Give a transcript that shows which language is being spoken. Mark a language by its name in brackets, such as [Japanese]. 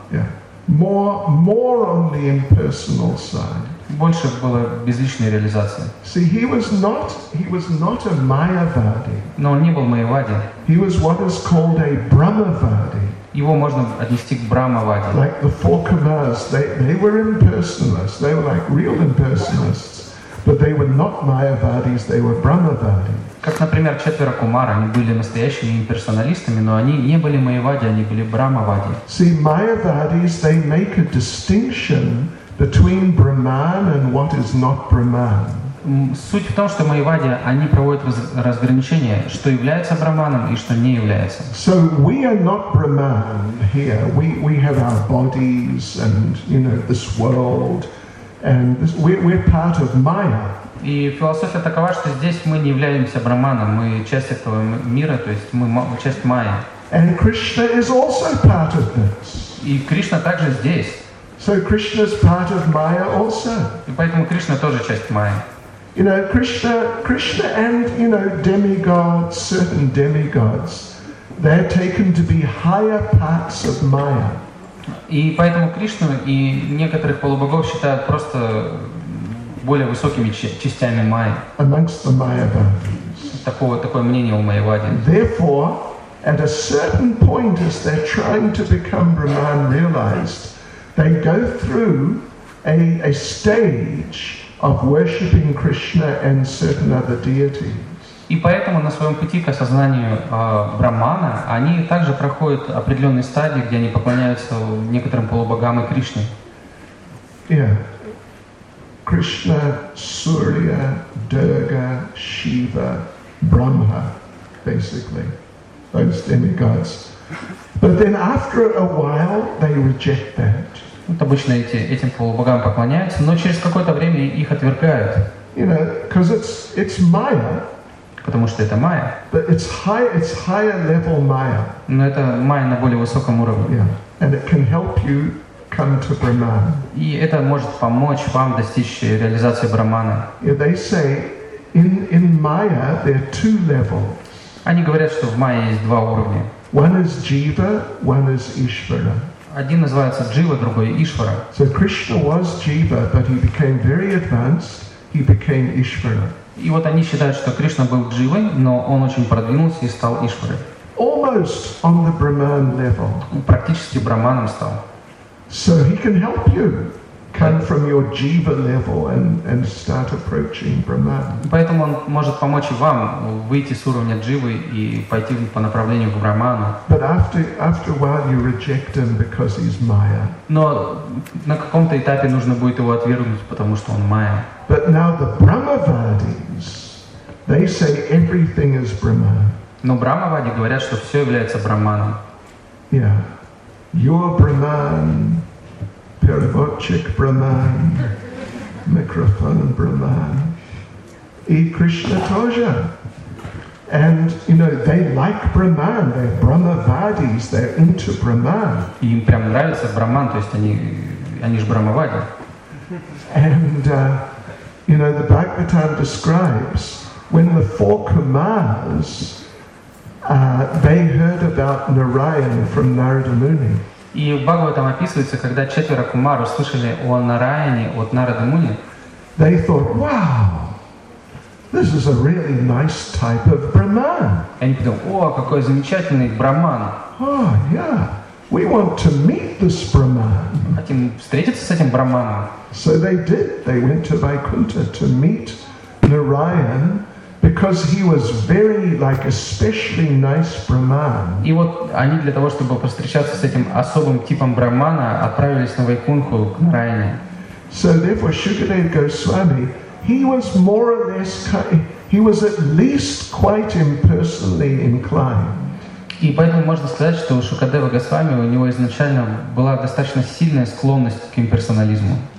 [English] Yeah. More on the impersonal side. [Russian] Больше было безличной реализации. [English] See, he was not a Mayavadi. [Russian] Но он не был Майявади. [English] He was what is called a Brahmavadi. [Russian] Его можно отнести к Брахмавади. [English] Like the four Kamas, they were impersonalists. They were like real impersonalists, but they were not Mayavadis. They were Brahmavadi. [Russian] Как, например, четверо Кумар, они были настоящими имперсоналистами, но они не были Майявади, они были Брахмавади. [English] See, Mayavadis, they make a distinction between Brahman and what is not Brahman. [Russian] Суть в том, что Майявади, они проводят разграничение, что является Брахманом и что не является. [English] So we are not Brahman here. We have our bodies and, you know, this world. And this, we're part of Maya. [Russian] И философия такова, что здесь мы не являемся Брахманом, мы часть этого мира, то есть мы часть Майя. [English] And Krishna is also part of this. [Russian] И Кришна также здесь. [English] So Krishna is part of Maya also. [Russian] И поэтому Кришна тоже часть Майи. [English] You know, Krishna and, you know, demigods, certain demigods, they're taken to be higher parts of Maya. [Russian] И поэтому Кришна и некоторых полубогов считают просто более высокими частями Майи. [English] Amongst the Mayavadis. [Russian] Такое мнение у Майявади. [English] Therefore, at a certain point, as they're trying to become Brahman realized, they go through a stage of worshipping Krishna and certain other deities. [Russian] И поэтому на своем пути к осознанию Брахмана они также проходят определенные стадии, где они поклоняются некоторым полубогам и Кришне. [English] Yeah. Krishna, Surya, Durga, Shiva, Brahma, basically. Those demigods. But then after a while they reject that. [Russian] Вот обычно этим полубогам поклоняются, но через какое-то время их отвергают. [English] You know, 'cause it's Maya. [Russian] Потому что это Майя. [English] But it's higher level Maya. [Russian] Но это Майя на более высоком уровне. [English] Yeah. And it can help you come to Brahman. [Russian] И это может помочь вам достичь реализации Брахмана. [English] Yeah, they say in Maya there are two levels. [Russian] Они говорят, что в Майе есть два уровня. [English] One is Jiva, one is Ishvara. [Russian] Один называется Джива, другой Ишвара. [English] So Krishna was Jiva, but he became very advanced. He became Ishvara. [Russian] И вот они считают, что Кришна был Дживой, но он очень продвинулся и стал Ишварой. [English] Almost on the Brahman level. [Russian] Практически Брахманом стал. [English] So he can help you come from your Jiva level and start approaching Brahman. [Russian] Поэтому он может помочь и вам выйти с уровня Дживы и пойти по направлению к Брахману. [English] But after a while you reject him because he's Maya. [Russian] Но на каком-то этапе нужно будет его отвергнуть, потому что он Майя. [English] But now the Brahmavadis, they say everything is Brahman. [Russian] Но Брахмавади говорят, что все является Брахманом. [English] Yeah. You're Brahman. Paravachik Brahman, microphone Brahman, [Russian] и Кришна тоже. [English] And, you know, they like Brahman, they're Brahmavadis, they're into Brahman. [Russian] И им прям нравится Брахман, то есть они же Брахмавади. [English] And You know, the Bhagavatam describes when the four Kumaras they heard about Narayan from Narada Muni. [Russian] И в Бхагаватам описывается, когда четверо кумар услышали о Нараяне от Нарада Муни. [English] They thought, wow, this is a really nice type of Brahman. [Russian] Они подумали, о, какой замечательный Брахман. [English] Oh, yeah, we want to meet this Brahman. [Russian] Хотим встретиться с этим Брахманом. [English] So they did. They went to Vaikuntha to meet Narayan. Because he was very, like, especially nice Brahman. [Russian] И вот они для того, чтобы повстречаться с этим особым типом Брахмана, отправились на Вайкунху к Нараяне. [English] So therefore, Shukadev Goswami, he was more or less, he was at least quite impersonally inclined. [Russian] И поэтому можно сказать, что у Шукадева Госвами у него изначально была достаточно сильная склонность к имперсонализму.